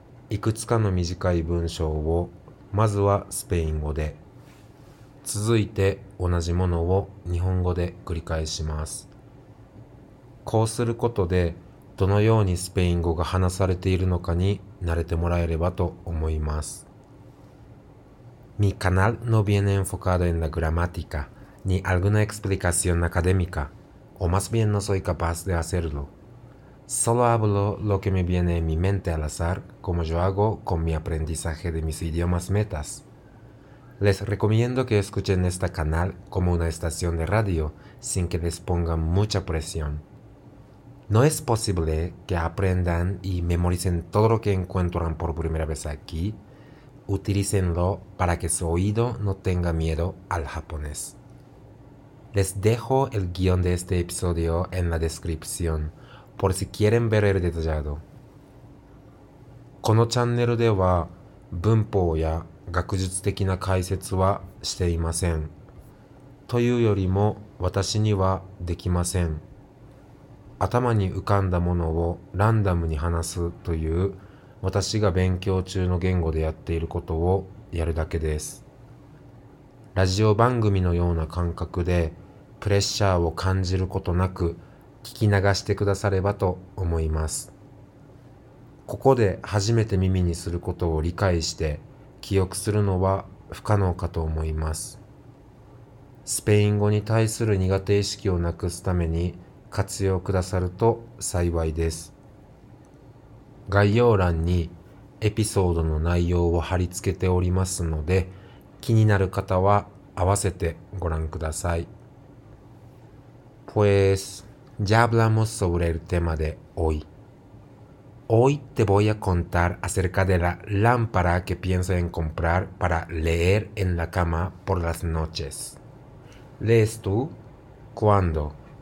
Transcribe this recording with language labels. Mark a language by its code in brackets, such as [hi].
[ja] いくつかの短い文章を、まずはスペイン語で、続いて同じものを日本語で繰り返します。こうすることで、どのようにスペイン語が話されているのかに慣れてもらえればと思います。 [es] Mi canal no viene enfocado en la gramática. Ni alguna explicación académica, o más bien no soy capaz de hacerlo. Solo hablo lo que me viene en mi mente al azar, como yo hago con mi aprendizaje de mis idiomas metas. Les recomiendo que escuchen este canal como una estación de radio, sin que les pongan mucha presión. No es posible que aprendan y memoricen todo lo que encuentran por primera vez aquí. Utilícenlo para que su oído no tenga miedo al japonés. Les dejo el guión de este episodio en la descripción, por si quieren ver el detallado. [ja] このチャンネルでは文法や学術的な解説はしていません。というよりも私にはできません。頭に浮かんだものをランダムに話すという私が勉強中の言語でやっていることをやるだけです。ラジオ番組のような感覚でプレッシャーを感じることなく聞き流してくださればと思います。ここで初めて耳にすることを理解して記憶するのは不可能かと思います。スペイン語に対する苦手意識をなくすために活用くださると幸いです。概要欄にエピソードの内容を貼り付けておりますので、気になる方は合わせてご覧ください。 [es] Pues ya hablamos sobre el tema de hoy. Hoy te voy a contar acerca de la lámpara que pienso en comprar para leer en la cama por las noches. ¿Lees tú? ¿Cuándo?